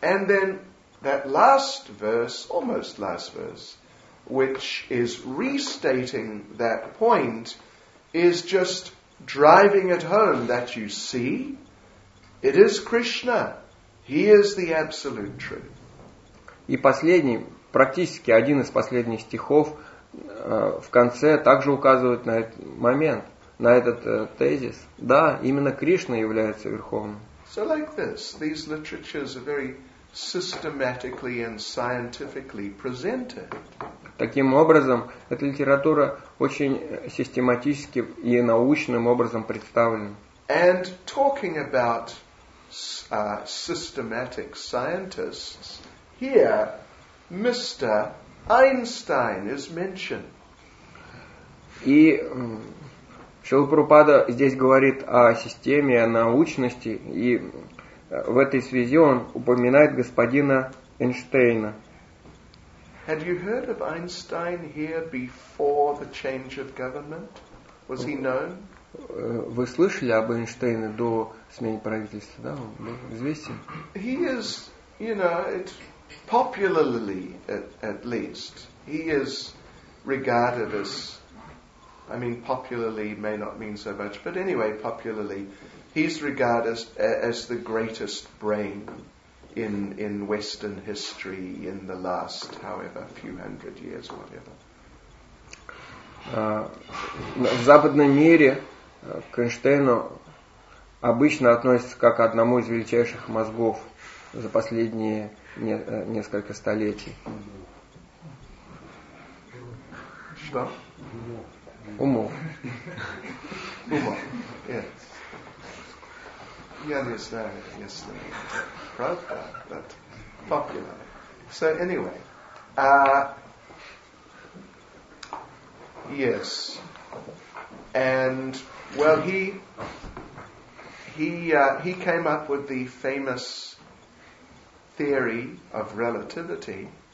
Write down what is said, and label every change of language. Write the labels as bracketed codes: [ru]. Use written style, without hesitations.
[en] And then that last verse, almost last verse, which is restating that point, is just driving it home that you see, it is Krishna. He is the absolute truth. [ru] И последний, практически один из последних стихов в конце также указывает на этот момент, на этот тезис. Да, именно Кришна является верховным. [en] So like this, these literatures are very systematically and scientifically presented. [ru] Таким образом, эта литература очень систематически и научным образом представлена. [en] And talking about systematic scientists, here Mr. Einstein is mentioned. [ru] И Шрила Прабхупада здесь говорит о системе, о научности, и в этой связи он упоминает господина Эйнштейна. [en] Had you heard of Einstein here before the change of government? Was he known? [ru] Вы слышали об Эйнштейне до смены правительства, да? Он был известен? [en] He is, you know, it, popularly at least, he is regarded as, I mean, popularly may not mean so much, but anyway, popularly, he's regarded as the greatest brain in Western history in the last, however, few hundred years, whatever. [ru] В западном мире к Эйнштейну обычно относятся как одному из величайших мозгов за последние несколько столетий. Что? Умов. Умов, [en] yes. [ru] Я не знаю, если правда, но популярно. [en] So anyway, yes, and well, he came up with the famous theory of relativity.